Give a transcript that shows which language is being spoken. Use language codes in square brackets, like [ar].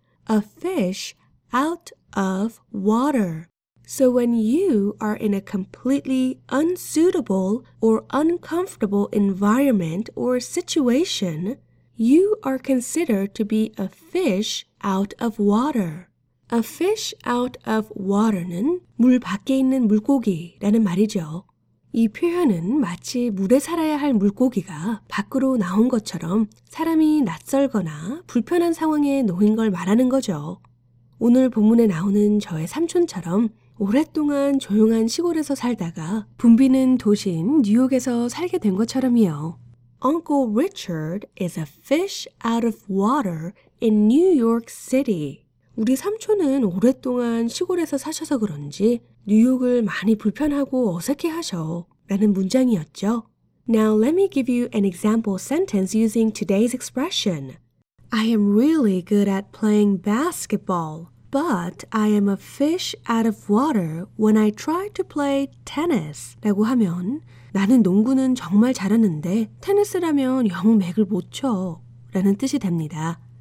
[en] A fish out of water. So when you are in a completely unsuitable or uncomfortable environment or situation, you are considered to be a fish out of water. A fish out of water [ko] 는 물 밖에 있는 물고기라는 말이죠. 이 표현은 마치 물에 살아야 할 물고기가 밖으로 나온 것처럼 사람이 낯설거나 불편한 상황에 놓인 걸 말하는 거죠. 오늘 본문에 나오는 저의 삼촌처럼 오랫동안 조용한 시골에서 살다가 붐비는 도시인 뉴욕에서 살게 된 것처럼이요. [en] Uncle Richard is a fish out of water in New York City. [ko] 우리 삼촌은 오랫동안 시골에서 사셔서 그런지 뉴욕을 많이 불편하고 어색해하셔 라는 문장이었죠. [en] Now let me give you an example sentence using today's expression. I am really good at playing basketball, but I am a fish out of water when I try to play tennis [ko] 라고 하면 나는 농구는 정말 잘하는데 테니스라면 영 맥을 못 쳐 [en] 라는 뜻이 됩니다.